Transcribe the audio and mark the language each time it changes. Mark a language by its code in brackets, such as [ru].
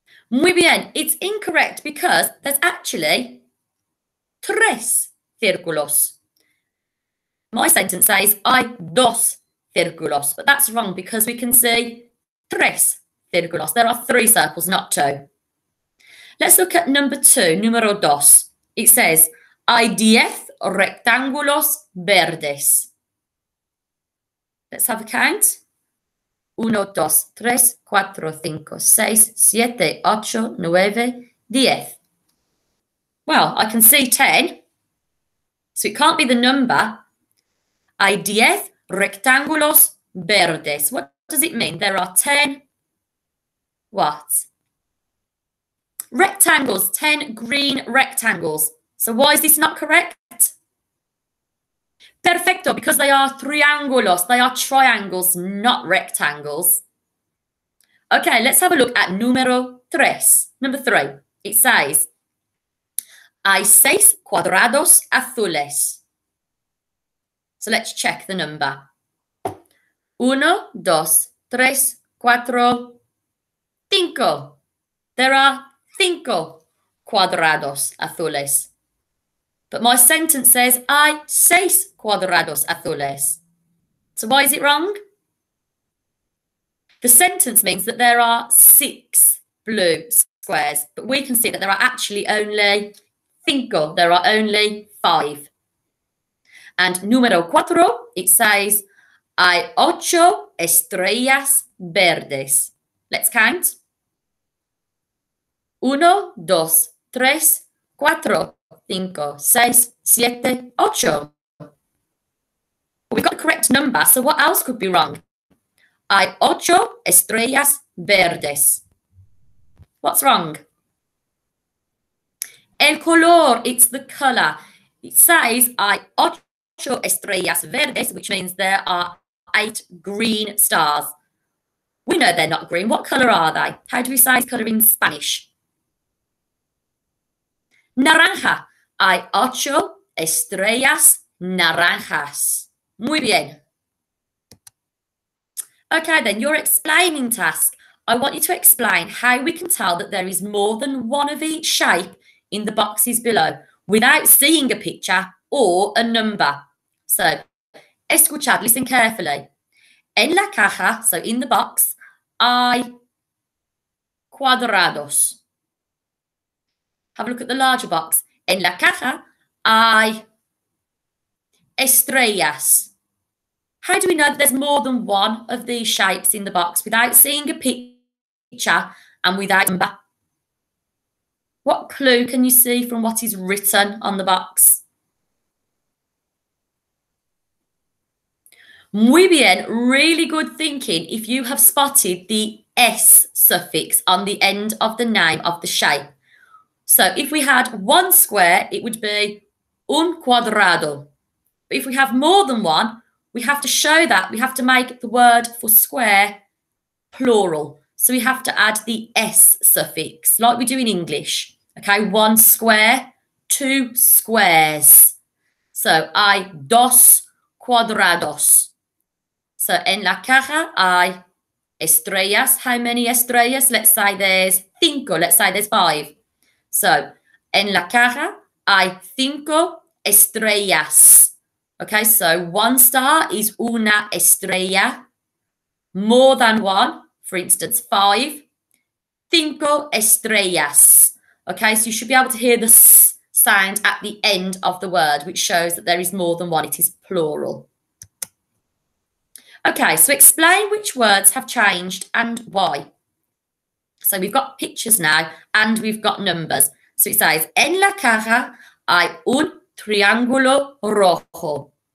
[es] Muy bien. [en] It's incorrect because there's actually [es] tres círculos. [en] My sentence says, [es] hay dos círculos. [en] But that's wrong because we can see [es] tres círculos. [en] There are three circles, not two. Let's look at number two, [es] numero dos. [en] It says, [es] hay diez rectángulos verdes. [en] Let's have a count. [es] Uno, dos, tres, cuatro, cinco, seis, siete, ocho, nueve, diez. [en] Well, I can see 10, so it can't be the number. [es] Hay diez rectángulos verdes. [en] What does it mean? There are 10 what? Rectangles, 10 green rectangles. So why is this not correct? Perfecto, because they are triangulos, they are triangles, not rectangles. Okay, let's have a look at [es] numero tres. [en] Number three, it says, [es] hay seis cuadrados azules. [en] So let's check the number. [es] Uno, dos, tres, cuatro, cinco. [en] There are [es] cinco cuadrados azules. [en] But my sentence says, [es] hay seis cuadrados azules. [en] So why is it wrong? The sentence means that there are six blue squares, but we can see that there are actually only cinco, there are only five. [es] And número cuatro, [en] it says, [es] hay ocho estrellas verdes. [en] Let's count. [es] Uno, dos, tres, cuatro, cinco, seis, siete, ocho. [en] We've got the correct number, so what else could be wrong? [es] Hay ocho estrellas verdes. [en] What's wrong? [es] El color, [en] it's the color. It says, [es] hay ocho estrellas verdes, [en] which means there are eight green stars. We know they're not green. What color are they? How do we say color in Spanish? [es] Naranja. Hay ocho estrellas naranjas. Muy bien. [en] Okay, then your explaining task. I want you to explain how we can tell that there is more than one of each shape in the boxes below without seeing a picture or a number. So, [es] escuchad, [en] listen carefully. [es] En la caja, [en] so in the box, [es] hay cuadrados. [en] Have a look at the larger box. [es] En la caja, hay estrellas. [en] How do we know that there's more than one of these shapes in the box without seeing a picture and without a number? What clue can you see from what is written on the box? [es] Muy bien, [en] really good thinking if you have spotted the S suffix on the end of the name of the shape. So if we had one square, it would be [es] un cuadrado. [en] But if we have more than one, we have to show that. We have to make the word for square plural. So we have to add the S suffix, like we do in English. Okay, one square, two squares. [es] So hay dos cuadrados. So en la caja hay estrellas. [en] How many estrellas? Let's say there's cinco. Let's say there's five. [es] So en la caja hay cinco estrellas. [en] Okay, so one star is [es] una estrella. [en] More than one, for instance, five. [es] Cinco estrellas. [en] Okay, so you should be able to hear the s sound at the end of the word, which shows that there is more than one. It is plural. Okay, so explain which words have changed and why. So we've got pictures now and we've got numbers. So it says, [es] en la caja hay un triángulo rojo.